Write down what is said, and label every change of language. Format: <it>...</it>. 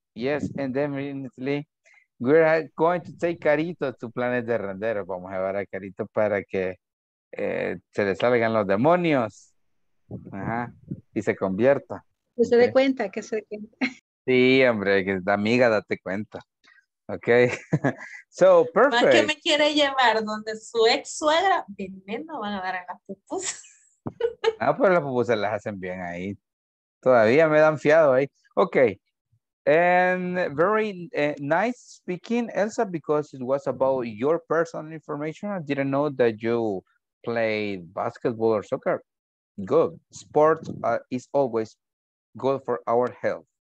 <en>Yes, and definitely, we're going to take Carito to Planet de Rendero.</en> <es>Vamos a llevar a Carito para que se le salgan los demonios. Ajá, y se convierta. Que se dé cuenta, que se dé cuenta. Sí, hombre, que es amiga, date cuenta.</es> <en>Okay, so perfect.</en> <es>¿Qué me quiere llevar? ¿Donde su ex suegra? Veneno van a dar a las pupusas. Ah, pero las pupusas las hacen bien ahí. Todavía me dan fiado ahí.</es> <en>Okay, and very nice speaking, Elsa, because it was about your personal information. I didn't know that you played basketball or soccer. Good. Sports is always good for our health.</en>